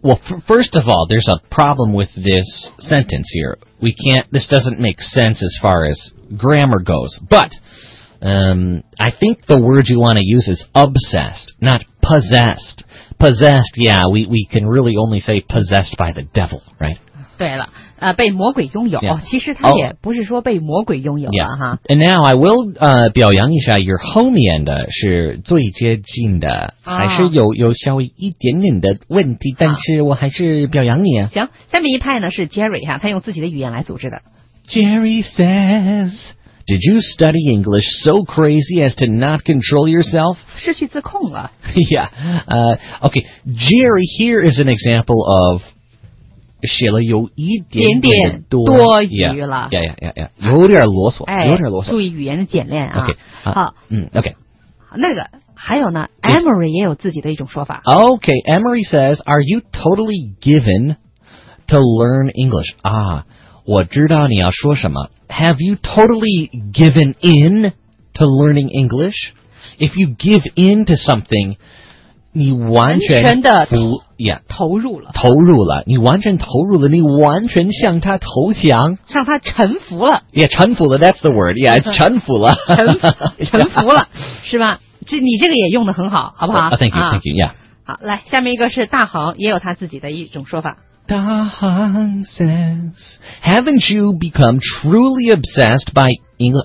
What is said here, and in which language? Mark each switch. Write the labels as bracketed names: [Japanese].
[English] Yeah. Well, first of all, there's a problem with this sentence here. We can't, this doesn't make sense as far as grammar goes, but... I think the word you want to use is obsessed, not possessed. Possessed, yeah, we can really only say possessed by the devil, right? [Chinese] 对了、被魔鬼拥有、 yeah. 其实他也不是说被魔鬼拥有了、 yeah. 哈 [English] And now I will、 [Chinese] 表扬一下 [English] your home end [Chinese] 是最接近的、啊、还是 有稍微一点点的问题、啊、但是我还是表扬你、啊、行下面一派呢是 Jerry、啊、他用自己的语言来组织的 [English] Jerry saysDid you study English so crazy as to not control yourself? [Chinese] 失去自控了。 [English] Yeah. Okay. Jerry, here is an example of [Chinese] 写了有一点点多余了。 Yeah. 有点啰嗦。哎、有点啰嗦。注意语言的简练啊。 Okay. 好。 Okay. 那个还有呢 ,Emery 也有自己的一种说法。 Okay. [English] Emery says, are you totally given to learn English? [Chinese] 啊我知道你要说什么。 [English] Have you totally given in to learning English? If you give in to something, [Chinese] 你完全完全的投入了。投入了。你完全投入了。你完全向他投降。向他臣服了。 [English] Yeah, 臣服了。That's the word. Yeah, it's 臣服了。 [Chinese] 臣服了。是吧这你这个也用得很好好不好、 [English] oh, thank you, thank you, yeah. [Chinese] 好来下面一个是大恒也有他自己的一种说法。 [English] Dahan says, haven't you become truly obsessed by English?